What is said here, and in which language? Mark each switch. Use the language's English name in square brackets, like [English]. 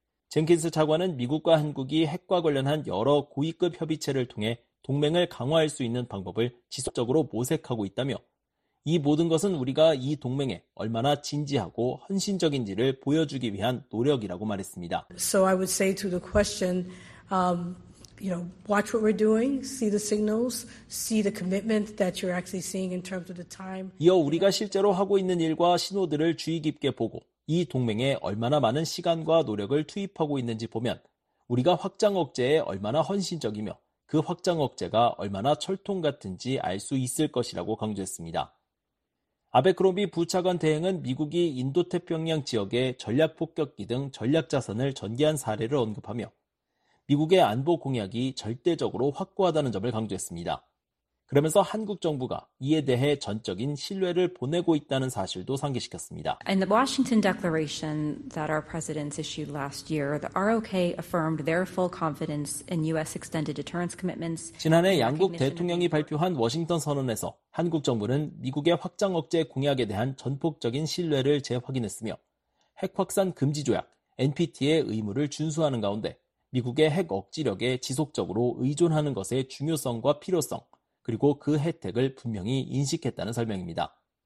[Korean] 젠킨스 차관은 미국과 한국이 핵과 관련한 여러 고위급 협의체를 통해 동맹을 강화할 수 있는 방법을 지속적으로 모색하고 있다며 이 모든 것은 우리가 이 동맹에 얼마나 진지하고 헌신적인지를 보여주기 위한 노력이라고 말했습니다. [English] So I would say to the question, you know, watch what we're doing, see the signals, see the commitment that you're actually seeing in terms of the time. [Korean] 이어 우리가 실제로 하고 있는 일과 신호들을 주의 깊게 보고 이 동맹에 얼마나 많은 시간과 노력을 투입하고 있는지 보면 우리가 확장 억제에 얼마나 헌신적이며 그 확장 억제가 얼마나 철통 같은지 알 수 있을 것이라고 강조했습니다. 아베크롬비 부차관 대행은 미국이 인도태평양 지역에 전략폭격기 등 전략자산을 전개한 사례를 언급하며 미국의 안보 공약이 절대적으로 확고하다는 점을 강조했습니다. 그러면서 한국 정부가 이에 대해 전적인 신뢰를 보내고 있다는 사실도 상기시켰습니다. [English] In the Washington Declaration that our presidents issued last year, the ROK affirmed their full confidence in U.S. extended deterrence commitments. [Korean] 지난해 양국 대통령이 발표한 워싱턴 선언에서 한국 정부는 미국의 확장 억제 공약에 대한 전폭적인 신뢰를 재확인했으며 핵 확산 금지 조약 NPT의 의무를 준수하는 가운데 미국의 핵 억지력에 지속적으로 의존하는 것의 중요성과 필요성 그리고 그 혜택을 분명히 인식했다는 설명입니다.